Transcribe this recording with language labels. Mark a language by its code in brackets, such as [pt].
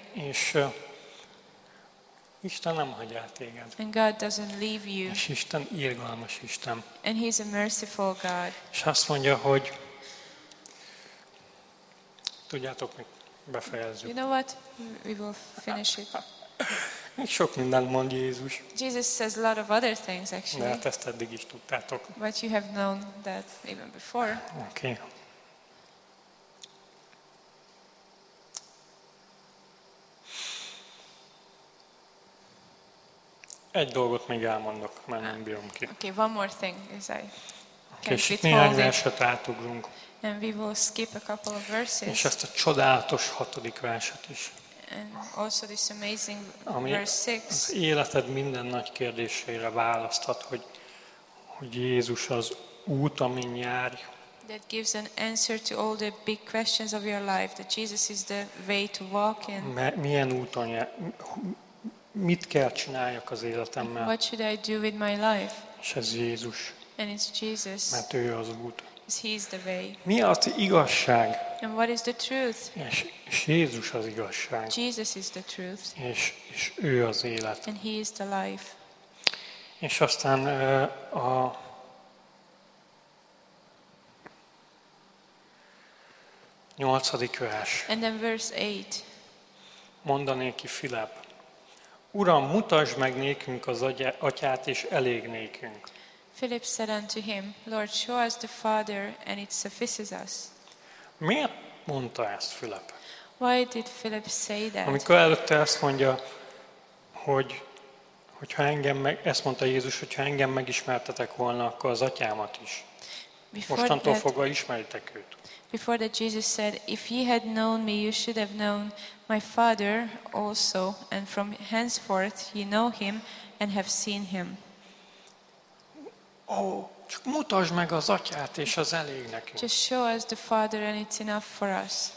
[hu] És Isten nem hagyja el téged. [en] And God doesn't leave you. [hu] És Isten irgalmas Isten. [en] And he's a merciful God. [hu] És azt mondja, hogy tudjátok, mi befejezzük. [en] You know what? We will finish it. [hu] Még sok mindent mond Jézus. [en] Jesus says a lot of other things actually. [hu] De hát ezt eddig is tudtátok. [en] But you have known that even before. Okay. [hu] Egy dolgot még elmondok, mert nem bírom ki. [en] Okay, one more thing is I. [hu] És itt néhány verset átugrunk. [en] And we will skip a couple of verses. [hu] És ezt a csodálatos 6. verset is. [en] And also this amazing verse 6. [hu] Az életed minden nagy kérdésére választhat, hogy Jézus az út, amin járj. [en] That gives an answer to all the big questions of your life, that Jesus is the way to walk in. [hu] Milyen úton jár, mit kell csináljak az életemmel? [en] What should I do with my life? [hu] És ez Jézus. [en] And it's Jesus. [hu] Mert ő az út. [en] He is the way. [hu] Mi az igazság? [en] And what is the truth? [hu] És Jézus az igazság. [en] Jesus is the truth. [hu] És ő az élet. [en] And he is the life. [hu] És aztán a 8. vers. [en] And then verse 8. [hu] Mondané ki Filip. Uram, mutasd meg nékünk az atyát, és elég nékünk. [en] Philip said unto him, Lord, show us the Father, and it suffices us. [hu] Miért mondta ezt Philip? [en] Why did Philip say that? [hu] Amikor előtte azt mondja, hogy ha engem meg, ezt mondta Jézus, hogy ha engem megismertetek volna, akkor az atyámat is. [en] Before [hu] mostantól [en] that, [hu] fogva ismeritek őt. [en] Before that Jesus said, if ye had known me, you should have known my Father also, and from henceforth ye know him and have seen him. [hu] Ó, csak mutasd meg az atyát, és az elég nekünk. [en] Just show us the Father and it's enough for us.